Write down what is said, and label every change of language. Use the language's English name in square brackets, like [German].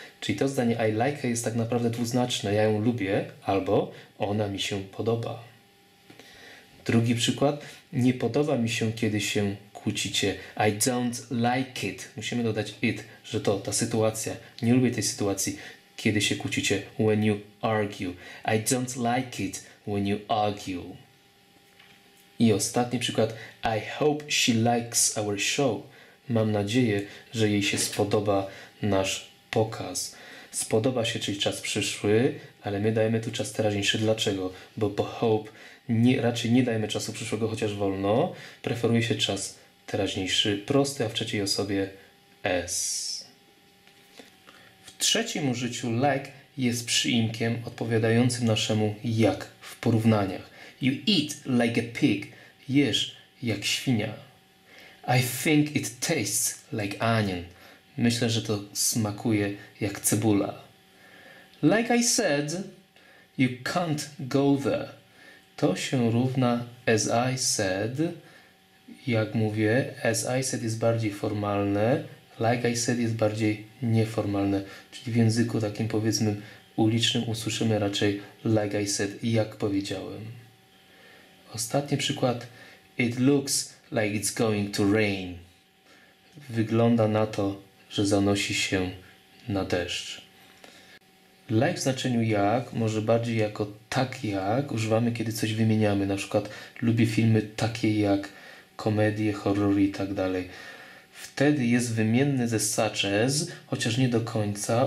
[Polish] Czyli to zdanie [English] I like her [Polish] jest tak naprawdę dwuznaczne. Ja ją lubię albo ona mi się podoba. Drugi przykład. Nie podoba mi się, kiedy się kłócicie. [English] I don't like it. [Polish] Musimy dodać it, że to ta sytuacja. Nie lubię tej sytuacji, kiedy się kłócicie. [English] When you argue. I don't like it when you argue. [Polish] I ostatni przykład. [English] I hope she likes our show. [Polish] Mam nadzieję, że jej się spodoba nasz pokaz. Spodoba się, czyli czas przyszły, ale my dajemy tu czas teraźniejszy. Dlaczego? Bo po hope nie, raczej nie dajemy czasu przyszłego, chociaż wolno. Preferuje się czas teraźniejszy prosty, a w trzeciej osobie s. W trzecim użyciu like jest przyimkiem odpowiadającym naszemu jak w porównaniach. [English] You eat like a pig. [Polish] Jesz jak świnia. [English] I think it tastes like onion. [Polish] Myślę, że to smakuje jak cebula. [English] Like I said, you can't go there. [Polish] To się równa [English] as I said. [Polish] Jak mówię, [English] as I said [Polish] jest bardziej formalne. [English] Like I said [Polish] jest bardziej nieformalne. Czyli w języku takim, powiedzmy, ulicznym usłyszymy raczej [English] like I said, [Polish] jak powiedziałem. Ostatni przykład. [English] It looks like it's going to rain. [Polish] Wygląda na to, że zanosi się na deszcz. Like w znaczeniu jak, może bardziej jako tak jak, używamy, kiedy coś wymieniamy. Na przykład lubię filmy takie jak komedie, horrory i tak dalej. Wtedy jest wymienny ze [English] such as, [Polish] chociaż nie do końca.